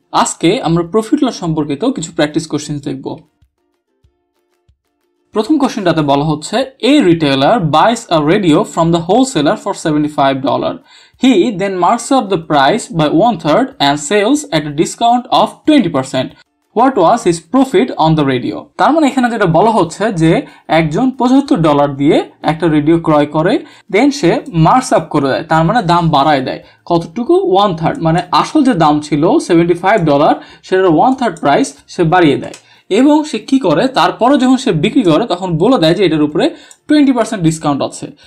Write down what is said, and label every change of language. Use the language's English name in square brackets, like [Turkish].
[Bangla] আজকে আমরা profit loss সম্পর্কিত কিছু practice questions দেখব। প্রথম questionটাতে বলা হচ্ছে, [English] A retailer buys a radio from the wholesaler for $75. He then marks up the price by 1/3 and sells at a discount of 20%. What was his profit on the radio? [Bangla] তার মানে এখানে যেটা বলা হচ্ছে যে একজন $75 দিয়ে একটা রেডিও ক্রয় করে, দেন সে মার্কস আপ করে দেয়, তার মানে দাম বাড়ায় দেয়। কতটুকু? 1/3, মানে আসল যে দাম ছিল $75, সেটার 1/3 প্রাইস সে বাড়িয়ে দেয়। এবং সে কি করে, তারপরে যখন সে বিক্রি করে তখন বলে দেয় যে এটার উপরে 20% ডিসকাউন্ট আছে।